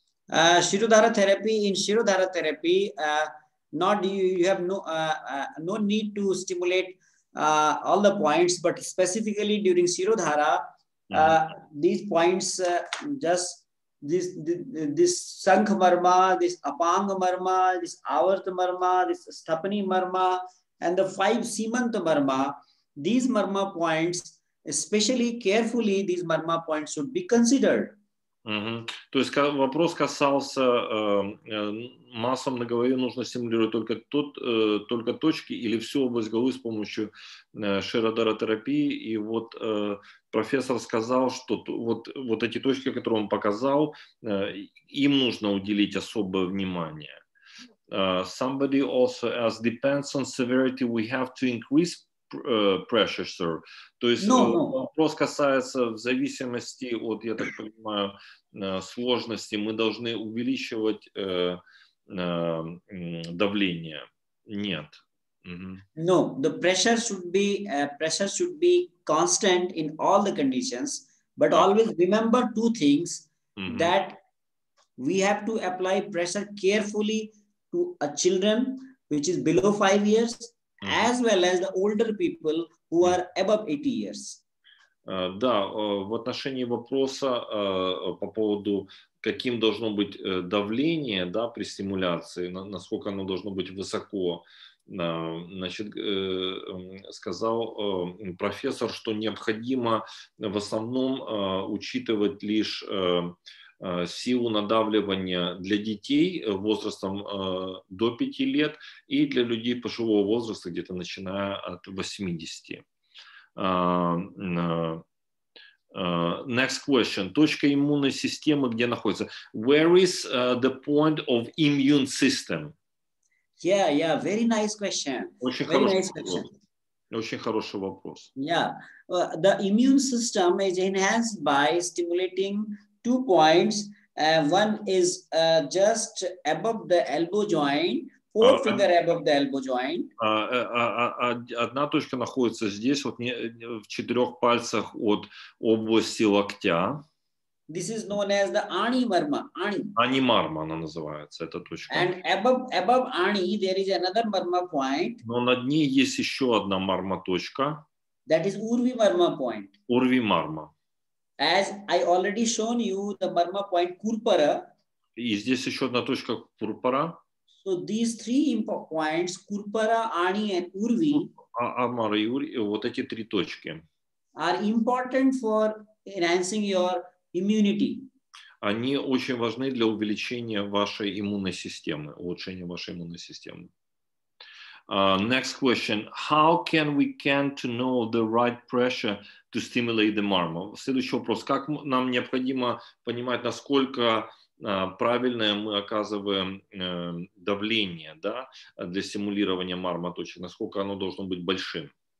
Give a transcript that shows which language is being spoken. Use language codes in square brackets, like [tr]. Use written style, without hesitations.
[en] Shirodhara therapy, in Shirodhara therapy, you have no need to stimulate all the points, but specifically during Shirodhara, these points just this sankh marma, this apang marma, this avart marma, this sthapani marma, and the five simant marma, these marma points, especially carefully, these marma points should be considered. Mm-hmm. [ru] То есть вопрос касался массом на голове нужно стимулировать только тот только точки или всю область головы с помощью Shirodhara терапии. И вот профессор сказал, что вот эти точки, которые он показал, им нужно уделить особое внимание. [en] Somebody also asked, depends on severity, we have to increase pressure, sir. [ru] То есть вопрос касается в зависимости от, я так понимаю, сложности, мы должны увеличивать давление. Нет. Mm-hmm. [en] No, the pressure should be constant in all the conditions, but always remember two things, mm-hmm. that we have to apply pressure carefully to a children which is below 5 years, mm-hmm. as well as the older people who are above 80 years. [ru] Да, в отношении вопроса по поводу, каким должно быть давление, да, при стимуляции, насколько оно должно быть высоко, значит, сказал профессор, что необходимо в основном учитывать лишь силу надавливания для детей возрастом до 5 лет и для людей пожилого возраста, где-то начиная от 80. [en] Next question. [ru] Точка иммунной системы где находится? [en] Where is the point of immune system? Yeah, very nice question. [ru] Очень [en] very [ru] хороший [en] nice question. [ru] Вопрос. Очень хороший вопрос. [en] Yeah. The immune system is enhanced by stimulating two points. One is just above the elbow joint. [ru] Одна точка находится здесь, вот в четырех пальцах от области локтя. [en] This is known as the Ani Marma. Ani. [ru] Ani Marma, она называется, эта точка. [en] And above Ani, there is another Marma point. [ru] Но над ней есть еще одна Marma точка. [en] That is Urvi Marma point. Urvi Marma. As I already shown you, the Marma point Kurpara. [ru] И здесь еще одна точка Курпара. [en] So these three important points, Kurpara, Ani, and Urvi, [ru] вот эти три точки, [en] are important for enhancing your immunity. [ru] Они очень важны для увеличения вашей иммунной системы, улучшения вашей иммунной системы. [en] Next question. How can we get to know the right pressure to stimulate the marma? [ru] Следующий вопрос. Как нам необходимо понимать, насколько правильное мы оказываем давление, да, для стимулирования марма точек, насколько оно должно быть большим?